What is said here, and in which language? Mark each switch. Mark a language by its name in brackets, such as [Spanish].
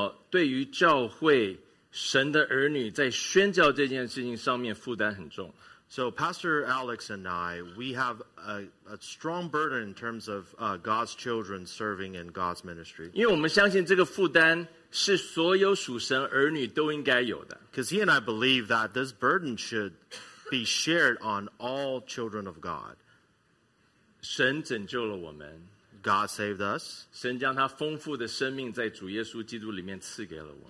[Chinese] 刘长老和我对于教会 神的儿女在宣教这件事情上面负担很重。 [English] So Pastor Alex and I, we have a strong burden in terms of God's children serving in God's ministry. [Chinese] 因为我们相信这个负担是所有属神儿女都应该有的。 [English] Because he and I believe that this burden should be shared on all children of God. [Chinese] 神拯救了我们。 [English] God saved us. [Chinese] 神将他丰富的生命在主耶稣基督里面赐给了我们。